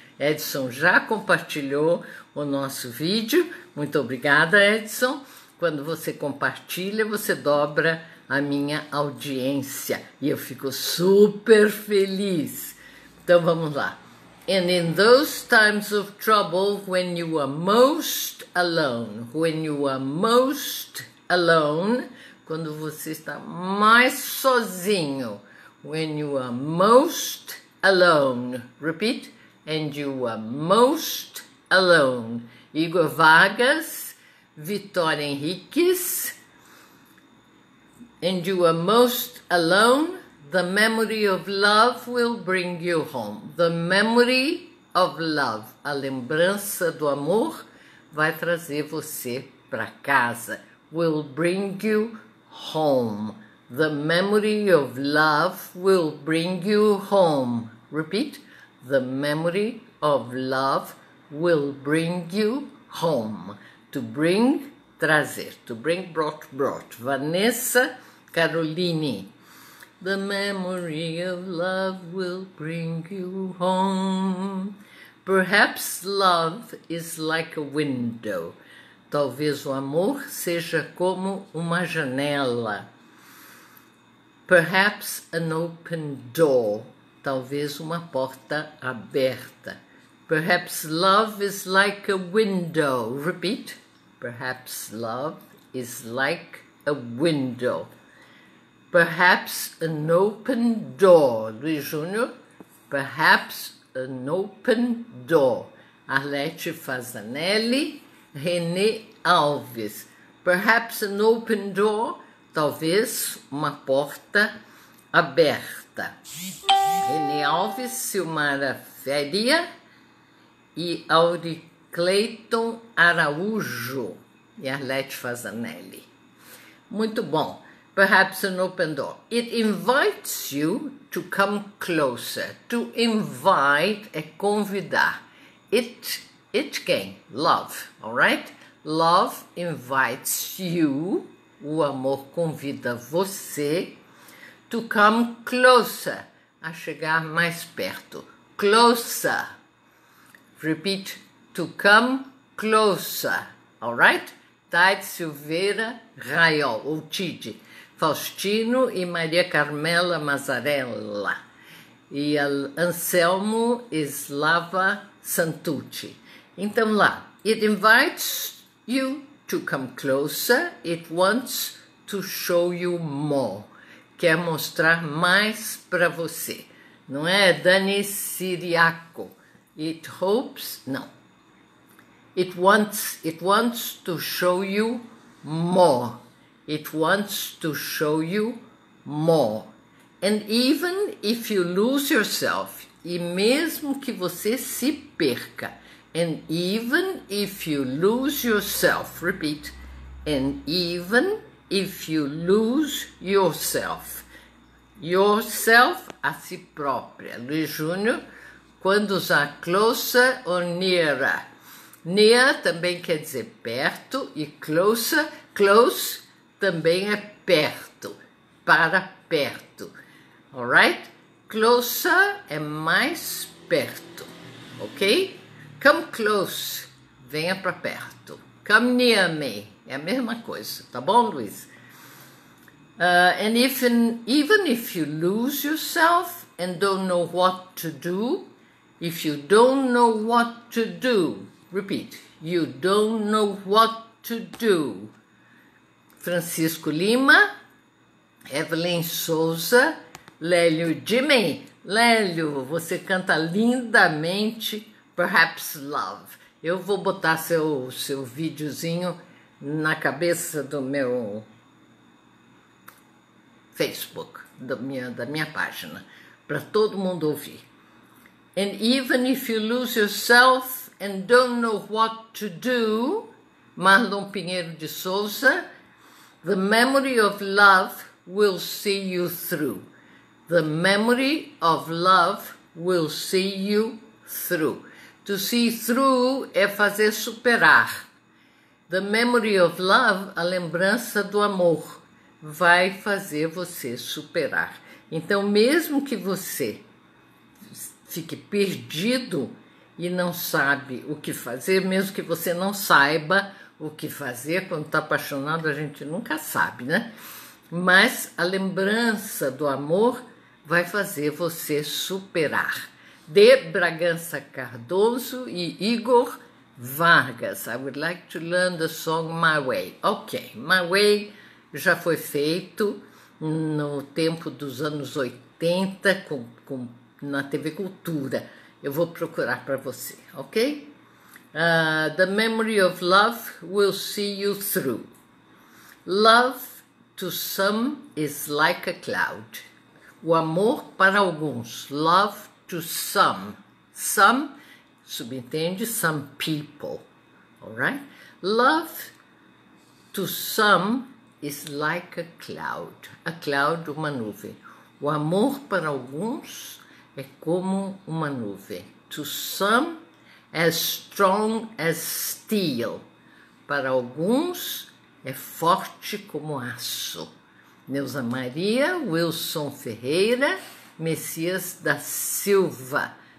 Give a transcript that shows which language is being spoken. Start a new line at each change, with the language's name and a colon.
Portuguese: Edson já compartilhou o nosso vídeo. Muito obrigada, Edson. Quando você compartilha, você dobra a minha audiência. E eu fico super feliz. Então, vamos lá.
English: And in those times of trouble, when you are most alone, when you are most alone,
Portuguese: quando você está mais sozinho,
English: when you are most alone, repeat, and you are most alone. Igor Vargas, Vitória Henriques, and you are most alone, the memory of love will bring you home. The memory of love.
Portuguese: A lembrança do amor vai trazer você para casa.
English: Will bring you home. The memory of love will bring you home. Repeat. The memory of love will bring you home. To bring, trazer. To bring, brought, brought. Vanessa Caroline. The memory of love will bring you home. Perhaps love is like a window.
Portuguese: Talvez o amor seja como uma janela.
English: Perhaps an open door.
Portuguese: Talvez uma porta aberta.
English: Perhaps love is like a window. Repeat. Perhaps love is like a window. Perhaps an open door. Luiz Júnior, perhaps an open door. Arlete Fazanelli, René Alves. Perhaps an open door,
Portuguese: talvez uma porta aberta. René Alves, Silmara Féria e Auri Cleiton Araújo e Arlete Fazanelli. Muito bom.
English: Perhaps an open door. It invites you to come closer. To invite
Portuguese: é convidar. It quem?
English: Love, all right? Love invites you,
Portuguese: o amor convida você,
English: to come closer,
Portuguese: a chegar mais perto.
English: Closer. Repeat, to come closer, all right?
Portuguese: Taide Silveira Raiol, ou Tide. Faustino e Maria Carmela Mazzarella e Anselmo Slava Santucci. Então lá,
English: it invites you to come closer, it wants to show you more.
Portuguese: Quer mostrar mais para você, não é, Dani Siriaco?
English: It hopes, não. It wants to show you more. It wants to show you more. And even if you lose yourself,
Portuguese: e mesmo que você se perca,
English: and even if you lose yourself, repeat, and even if you lose yourself, yourself,
Portuguese: a si própria. Luiz Júnior, quando usar closer ou nearer? Near também quer dizer perto e closer, close também é perto, para perto. Alright? Closer é mais perto, ok?
English: Come close,
Portuguese: venha para perto.
English: Come near me,
Portuguese: é a mesma coisa, tá bom, Luiz?
English: And even if you lose yourself and don't know what to do, if you don't know what to do, repeat, you don't know what to do. Francisco Lima, Evelyn Souza, Lélio Jimmy.
Portuguese: Lélio, você canta lindamente Perhaps Love. Eu vou botar seu videozinho na cabeça do meu Facebook, da minha página, para todo mundo ouvir.
English: And even if you lose yourself and don't know what to do, Marlon Pinheiro de Souza, the memory of love will see you through. The memory of love will see you through. To see through
Portuguese: é fazer superar.
English: The memory of love,
Portuguese: a lembrança do amor, vai fazer você superar. Então, mesmo que você fique perdido e não sabe o que fazer, mesmo que você não saiba o que fazer, quando está apaixonado, a gente nunca sabe, né? Mas a lembrança do amor vai fazer você superar. De Bragança Cardoso e Igor Vargas.
English: I would like to learn the song My Way.
Portuguese: Ok, My Way já foi feito no tempo dos anos 80 na TV Cultura. Eu vou procurar para você, ok?
English: The memory of love will see you through. Love to some is like a cloud.
Portuguese: O amor para alguns,
English: love to some. Some, subentende, some people, alright? Love to some is like a cloud. A cloud,
Portuguese: uma nuvem. O amor para alguns é como uma nuvem.
English: To some, as strong as steel.
Portuguese: Para alguns, é forte como aço. Neuza Maria, Wilson Ferreira, Messias da Silva.